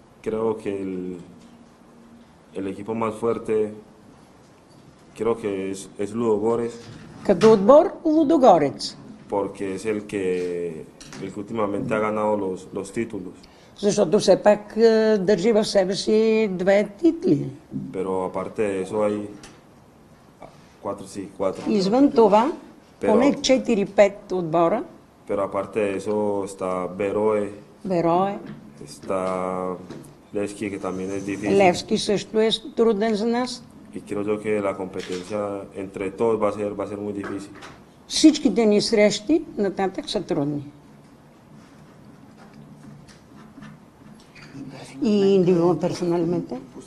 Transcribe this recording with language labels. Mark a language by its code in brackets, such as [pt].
[es] Creo que el equipo más fuerte. Creo que es Ludogorets. [bg] Като отбор Лудогорец. [es] Porque es el que últimamente ha ganado los títulos. [bg] Защото все пак държи в себе си две титли. [es] Pero aparte de eso hay. Cuatro, sí, cuatro. [bg] Извън това. Поне 4-5 отбора. [es] Pero aparte de eso está Beroe. Beroe. Está Левски, que también es difícil. [bg] Левски също е труден за нас. [es] И creo yo que la competencia entre todos va a ser muy difícil. [bg] Всичките ни срещи нататък са трудни. И индивидуално, персоналмente.